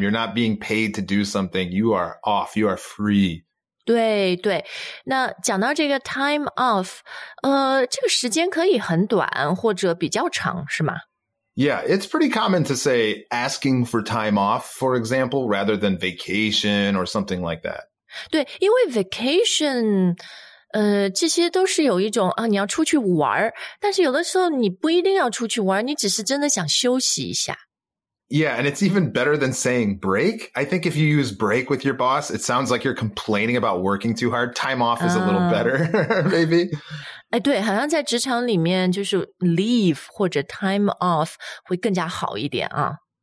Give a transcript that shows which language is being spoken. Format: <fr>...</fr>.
<en>You're not being paid to do something. You are off. You are free.</en> <zh>对对，那讲到这个 time off, 这个时间可以很短或者比较长，是吗？</zh> <en>Yeah, it's pretty common to say asking for time off, for example, rather than vacation or something like that.</en> <zh>对，因为 vacation, 这些都是有一种啊，你要出去玩，但是有的时候你不一定要出去玩，你只是真的想休息一下。</zh> <en>Yeah, and it's even better than saying break. I think if you use break with your boss, it sounds like you're complaining about working too hard. Time off is a little better, maybe.</en> <zh>哎，对，好像在职场里面就是 leave 或者 time off 会更加好一点啊。</zh>